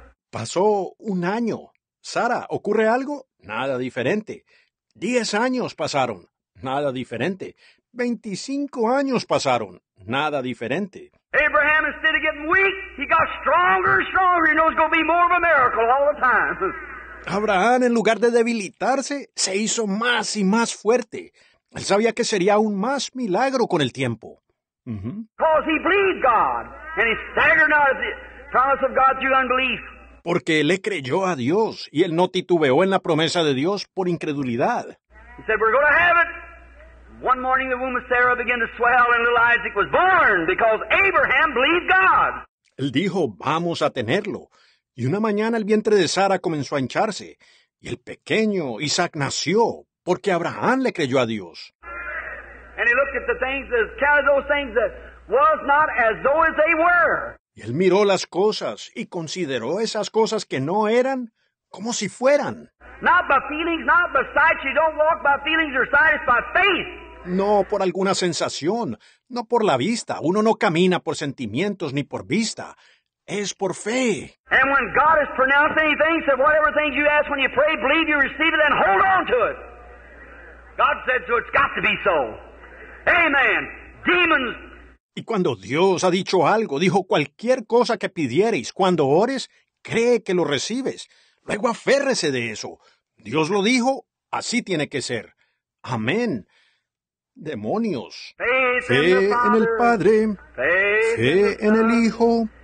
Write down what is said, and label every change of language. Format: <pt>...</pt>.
<es>Pasó un año. Sara, ¿ocurre algo? Nada diferente. 10 años pasaron. Nada diferente. 25 años pasaron. Nada diferente.</es> <en>Abraham, instead of getting weak, he got stronger and stronger. He knows it's going to be more of a miracle all the time.</en> <es>Abraham, en lugar de debilitarse, se hizo más y más fuerte. Él sabía que sería aún más milagro con el tiempo.</es> <en>Because he believed God, and he staggered not at the promise of God through unbelief.</en> <es>Porque le creyó a Dios, y él no titubeó en la promesa de Dios por incredulidad.</es> <en>He said, we're going to have it. One morning the womb of Sarah began to swell and little Isaac was born because Abraham believed God.</en> <es>Él dijo, vamos a tenerlo. Y una mañana el vientre de Sara comenzó a hincharse. Y el pequeño Isaac nació porque Abraham le creyó a Dios.</es> <en>And he looked at the things, as counted those things that was not as though as they were.</en> <es>Y él miró las cosas y consideró esas cosas que no eran como si fueran.</es> <en>Not by feelings, not by sight. You don't walk by feelings or sight. It's by faith.</en> <es>No por alguna sensación, no por la vista. Uno no camina por sentimientos ni por vista. Es por fe.</es> <en>And when God has pronounced anything, said whatever things you ask when you pray, believe you receive it, and hold on to it. God said so, it's got to be so. Amen. Demons.</en> <es>Y cuando Dios ha dicho algo, dijo cualquier cosa que pidiereis, cuando ores, cree que lo recibes. Luego aférrese de eso. Dios lo dijo, así tiene que ser. Amén. Demonios. Fe en el Padre. Fe en el Hijo.</es>